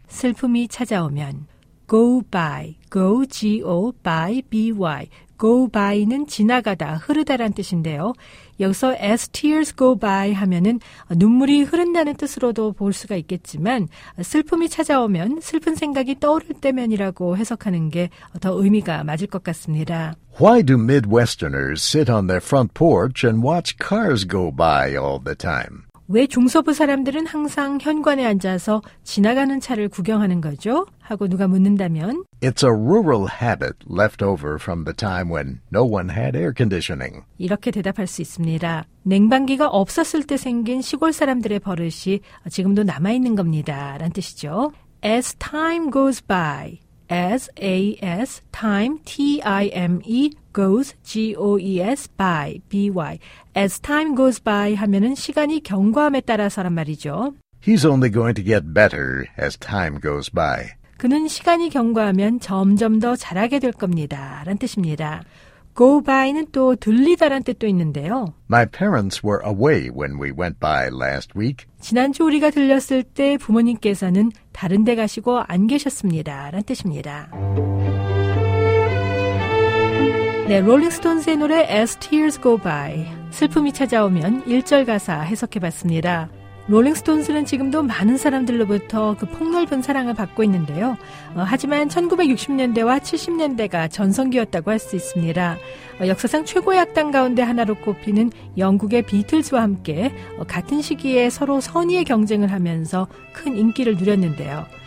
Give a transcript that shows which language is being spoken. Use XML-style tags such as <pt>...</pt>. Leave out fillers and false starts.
<ko>슬픔이 찾아오면</ko> <en>go by,</en> <ko>go, G-O, by, B-Y. go by는 지나가다, 흐르다란 뜻인데요. 여기서 as tears go by 하면은 눈물이 흐른다는 뜻으로도 볼 수가 있겠지만 슬픔이 찾아오면 슬픈 생각이 떠오를 때면이라고 해석하는 게 더 의미가 맞을 것 같습니다.</ko> <en>Why do Midwesterners sit on their front porch and watch cars go by all the time?</en> <ko>왜 중서부 사람들은 항상 현관에 앉아서 지나가는 차를 구경하는 거죠? 하고 누가 묻는다면</ko> <en>It's a rural habit left over from the time when no one had air conditioning. 이렇게 대답할 수 있습니다.</en> <ko>냉방기가 없었을 때 생긴 시골 사람들의 버릇이 지금도 남아있는 겁니다. 라는 뜻이죠.</ko> <en>As time goes by. As time, T-I-M-E, goes, G-O-E-S, by, B-Y. As time goes by</en> <ko>하면은 시간이 경과함에 따라서란 말이죠.</ko> <en>He's only going to get better as time goes by.</en> <ko>그는 시간이 경과하면 점점 더 잘하게 될 겁니다. 라는 뜻입니다. Go by는 또 들리다란 뜻도 있는데요.</ko> <en>My parents were away when we went by last week.</en> <ko>지난주 우리가 들렸을 때 부모님께서는 다른 데 가시고 안 계셨습니다. 라는 뜻입니다. 네, 롤링스톤스의 노래 As Tears Go By. 슬픔이 찾아오면 1절 가사 해석해봤습니다. 롤링스톤스는 지금도 많은 사람들로부터 그 폭넓은 사랑을 받고 있는데요. 하지만 1960년대와 70년대가 전성기였다고 할 수 있습니다. 역사상 최고의 악단 가운데 하나로 꼽히는 영국의 비틀즈와 함께 같은 시기에 서로 선의의 경쟁을 하면서 큰 인기를 누렸는데요.</ko>